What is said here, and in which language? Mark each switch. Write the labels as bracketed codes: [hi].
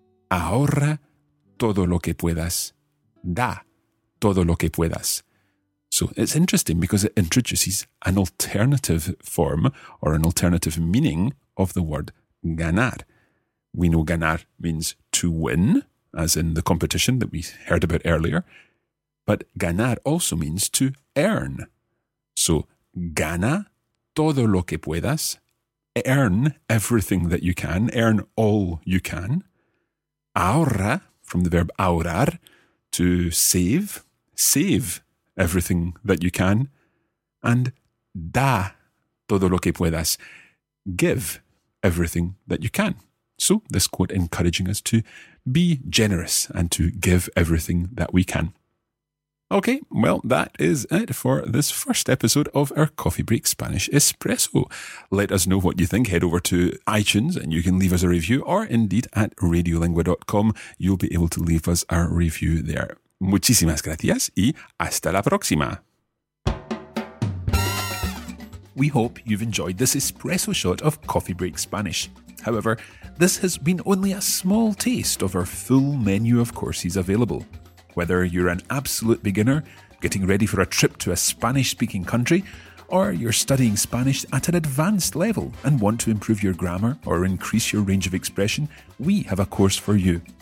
[es] Ahorra todo lo que puedas. Da todo lo que puedas. [en] So it's interesting because it introduces an alternative form or an alternative meaning of the word ganar. We know ganar means to win, as in the competition that we heard about earlier. But ganar also means to earn. [es] So gana todo lo que puedas. [en] Earn everything that you can. Earn all you can. Ahorra, from the verb ahorrar, to save. Save everything that you can. [es] And da todo lo que puedas. [en] Give everything that you can. So this quote encouraging us to be generous and to give everything that we can. Okay, well, that is it for this first episode of our Coffee Break Spanish Espresso. Let us know what you think. Head over to iTunes and you can leave us a review, or indeed at radiolingua.com. You'll be able to leave us a review there. [es] Muchísimas gracias y hasta la próxima. [en] We hope you've enjoyed this espresso shot of Coffee Break Spanish. However, this has been only a small taste of our full menu of courses available. Whether you're an absolute beginner, getting ready for a trip to a Spanish-speaking country, or you're studying Spanish at an advanced level and want to improve your grammar or increase your range of expression, we have a course for you.